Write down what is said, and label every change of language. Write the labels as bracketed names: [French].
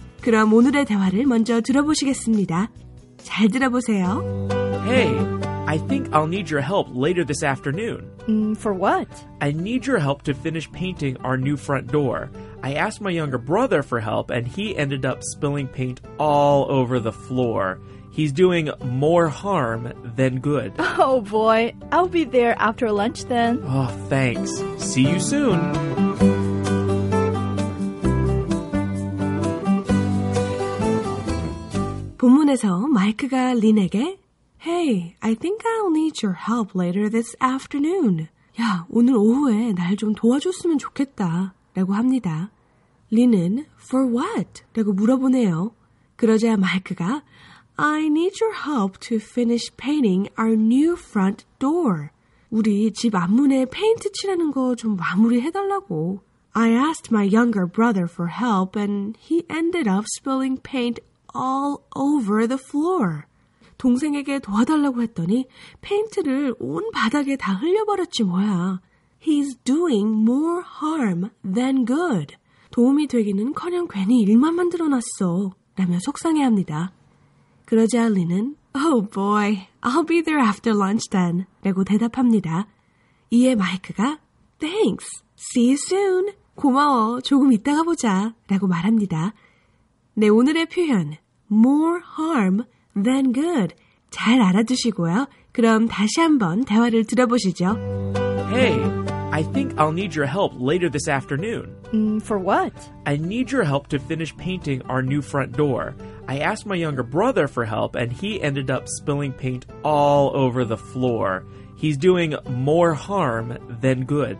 [Korean] 그럼 오늘의 대화를 먼저 들어보시겠습니다. 잘 들어보세요. [English] Hey, I think I'll need your help later this afternoon. For what? I need your help to finish painting our new front door. I asked my younger brother for help, and he ended up spilling paint all over the floor. He's doing more harm than good. Oh, boy. I'll be there after lunch, then. Oh, thanks. See you soon. Hey, I think I'll need your help later this afternoon. [Korean] 야, 오늘 오후에 날 좀 도와줬으면 좋겠다 라고 합니다. 린은 [English] for what? [Korean] 라고 물어보네요. 그러자 마이크가 [English] I need your help to finish painting our new front door. [Korean] 우리 집 앞문에 페인트 칠하는 거 좀 마무리해달라고. [English] I asked my younger brother for help and he ended up spilling paint all over the floor. [Korean] 동생에게 도와달라고 했더니 페인트를 온 바닥에 다 흘려버렸지 뭐야. [English] He's doing more harm than good. [Korean] 도움이 되기는 커녕 괜히 일만 만들어놨어. 라며 속상해합니다. 그러자 리는 [English] Oh boy, I'll be there after lunch then. [Korean] 라고 대답합니다. 이에 마이크가 [English] Thanks, see you soon. [Korean] 고마워, 조금 이따가 보자. 라고 말합니다. 네, 오늘의 표현 [English] More harm than good. [Korean] 잘 알아두시고요. 그럼 다시 한번 대화를 들어보시죠. [English] Hey, I think I'll need your help later this afternoon. For what? I need your help to finish painting our new front door. I asked my younger brother for help, and he ended up spilling paint all over the floor. He's doing more harm than good.